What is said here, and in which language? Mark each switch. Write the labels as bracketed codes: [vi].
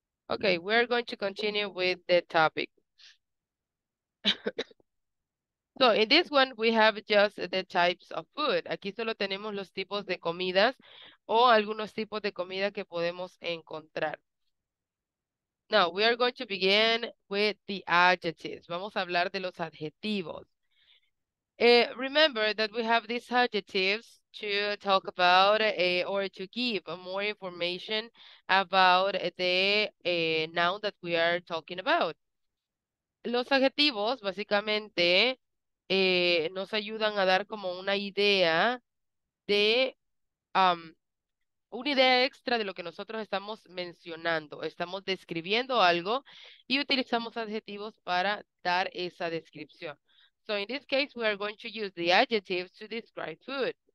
[en] Okay, we're going to continue with the topic. So in this one, we have just the types of food. [es] Aquí solo tenemos los tipos de comidas o algunos tipos de comida que podemos encontrar. [en] Now, we are going to begin with the adjectives. [es] Vamos a hablar de los adjetivos. [en] Remember that we have these adjectives to talk about or to give more information about the noun that we are talking about. [es] Los adjetivos básicamente nos ayudan a dar como una idea de una idea extra de lo que nosotros estamos mencionando. Estamos describiendo algo y utilizamos adjetivos para dar esa descripción. [en] So in this case, we are going to use the adjectives to describe food.